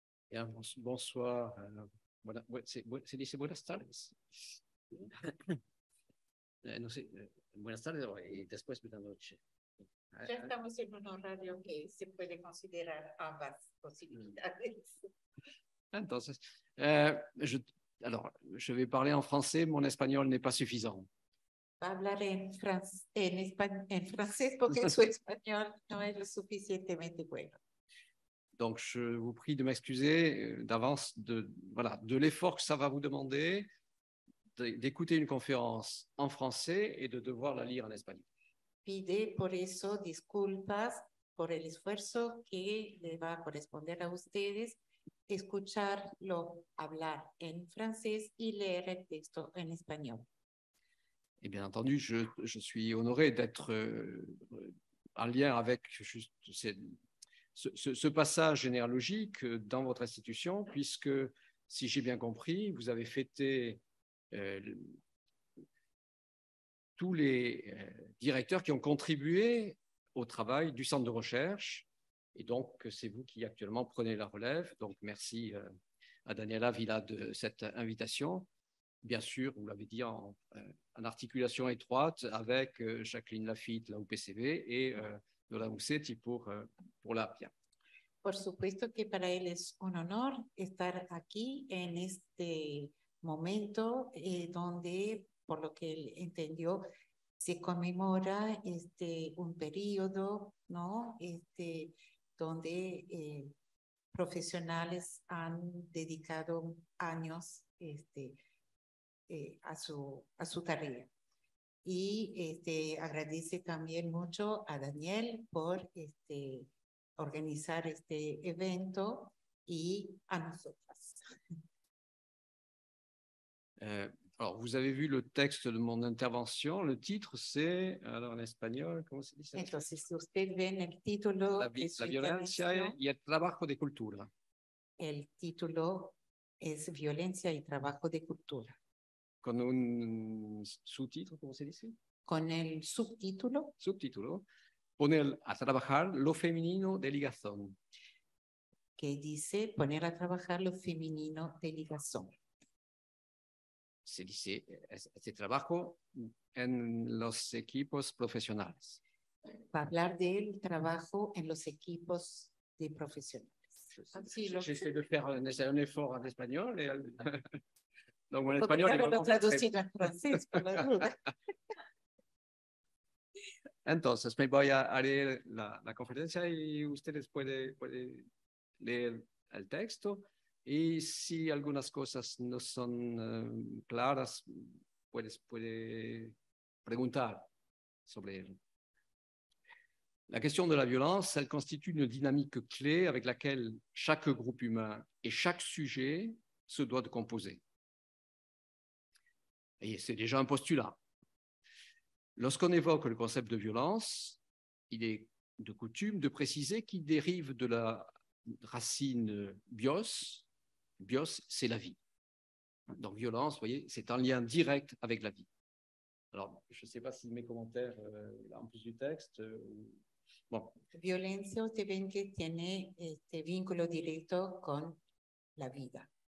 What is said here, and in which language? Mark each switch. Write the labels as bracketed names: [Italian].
[Spanish] Yeah, bonsoir, se dice buenas tardes. No sé, buenas tardes y después buena noche. Ya estamos en un horario que se puede considerar ambas posibilidades. [French] Entonces, je vais parler en français, mon espagnol n'est pas suffisant. [Spanish] Va a hablar en francés porque su español no es lo suficientemente bueno. [French] Donc, je vous prie de m'excuser d'avance de l'effort que ça va vous demander d'écouter une conférence en français et de devoir la lire en espagnol. [Spanish] Pide por eso disculpas por el esfuerzo que le va a corresponder a ustedes escucharlo hablar en francés y leer el texto en español. [French] Et bien entendu, je suis honoré d'être en lien avec juste ce passage généalogique dans votre institution, puisque, si j'ai bien compris, vous avez fêté tous les directeurs qui ont contribué au travail du centre de recherche, et donc c'est vous qui actuellement prenez la relève. Donc merci à Daniela Villa de cette invitation. Bien sûr, vous l'avez dit, en articulation étroite avec Jacqueline Lafitte, la UPCV, et Lola Mussetti pour l'APIA. [Spanish] Por supuesto que para él es un honor estar aquí en este momento donde, por lo que él entendió, se conmemora un periodo, ¿no? Donde profesionales han dedicado años a su tarea. Y agradece también mucho a Daniel por organizar este evento y a nosotras. [French] Alors, vous avez vu le texte de mon intervention. Le titre, c'est, alors en espagnol, comment se dit ça? [Spanish] Entonces, si usted ve en el título, la violencia y el trabajo de cultura. El título es violencia y trabajo de cultura. Con un [French] sous-titre, comment [Spanish] se dice? Con el subtítulo. Subtítulo. Poner a trabajar lo femenino de ligazón. Que dice poner a trabajar lo femenino de ligazón. Se dice este trabajo en los equipos profesionales. Va a hablar del trabajo en los equipos de profesionales. [French] J'essaie de faire un effort en español. Donc en español. [Spanish] Lo traducí en francés, por la duda. Entonces, me voy a leer la conferencia y ustedes pueden leer el texto. Y si algunas cosas no son claras, puede preguntar sobre él. [French] La question de la violence, elle constitue une dynamique clé avec laquelle chaque groupe humain et chaque sujet se doit de composer. Et c'est déjà un postulat. Lorsqu'on évoque le concept de violence, il est de coutume de préciser qu'il dérive de la racine bios. Bios, c'est la vie. Donc, violence, vous voyez, c'est un lien direct avec la vie. Alors, je ne sais pas si mes commentaires, en plus du texte... Bon. [Spanish] Violencia, usted ve que tiene este vínculo directo con la vida.